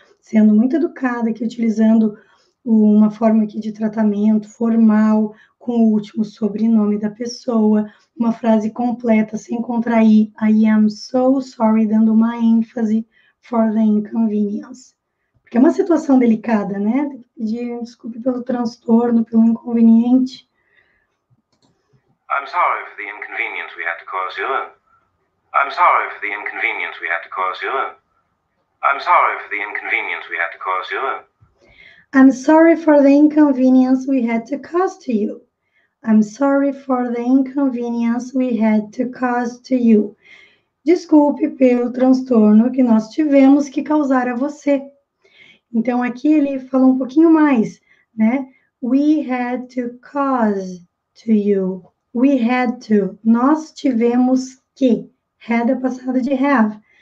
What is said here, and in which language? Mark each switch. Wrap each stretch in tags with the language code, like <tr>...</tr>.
<pt>Sendo muito educada aqui, utilizando uma forma aqui de tratamento formal, com o último sobrenome da pessoa, uma frase completa, sem contrair,</pt> <en>I am so sorry,</en> <pt>dando uma ênfase</pt> <en>for the inconvenience.</en> <pt>Porque é uma situação delicada, né? Tem que pedir desculpe pelo transtorno, pelo inconveniente.</pt> <en>I'm sorry for the inconvenience we had to cause you. I'm sorry for the inconvenience we had to cause you. I'm sorry for the inconvenience we had to cause you. I'm sorry for the inconvenience we had to cause to you. I'm sorry for the inconvenience we had to cause to you.</en> <pt>Desculpe pelo transtorno que nós tivemos que causar a você. Então, aqui ele falou um pouquinho mais, né?</pt> <en>We had to cause to you. We had to.</en> <pt>Nós tivemos que. Had é passado de have.</pt>